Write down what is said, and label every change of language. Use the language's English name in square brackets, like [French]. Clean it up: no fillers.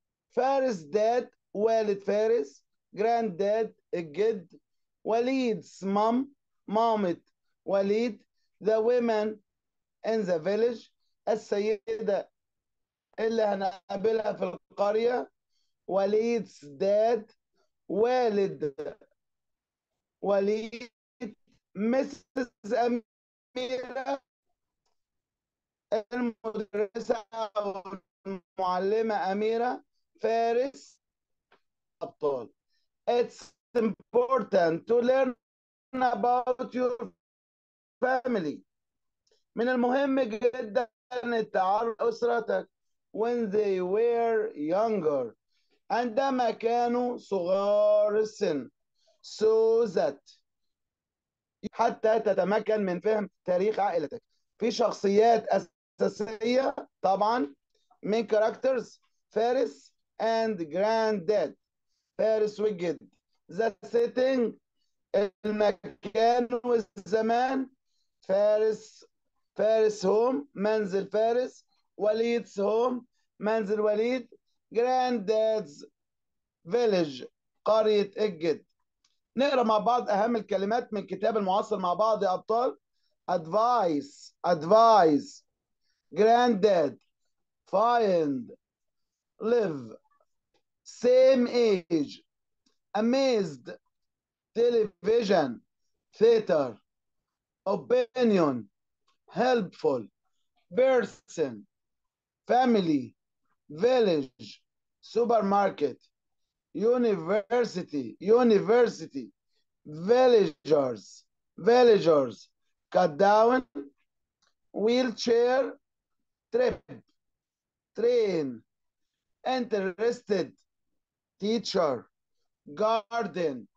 [Arabic] فارس داد، والد فارس، جراند داد الجد، وليد مام، مامت وليد، ذا ويمن ان ذا فيليج، السيدة اللي هنقابلها في القرية، وليد داد، والد وليد، مسز أميرة، المدرسة أو المعلمة أميرة، فارس أبطال. [English] It's important to learn about your family. [Arabic] من المهم جدا التعرف على أسرتك. [English] When they were younger، [Arabic] عندما كانوا صغار السن. [English] So that، [Arabic] حتى تتمكن من فهم تاريخ عائلتك. في شخصيات أساسية طبعا، [English] main characters، [Arabic] فارس and granddad. فارس وجد، [English] the setting، [Arabic] المكان والزمان، فارس، فارس هوم، منزل فارس، وليد's home، منزل وليد، granddad's village، قرية الجد. نقرأ مع بعض أهم الكلمات من كتاب المعاصر مع بعض يا أبطال. [English] advice، advise، granddad، find، live، same age، amazed، television، theater، opinion، helpful، person، family، village، supermarket، university، university، villagers، villagers، cut down، wheelchair، trip، train، interested، teacher، garden،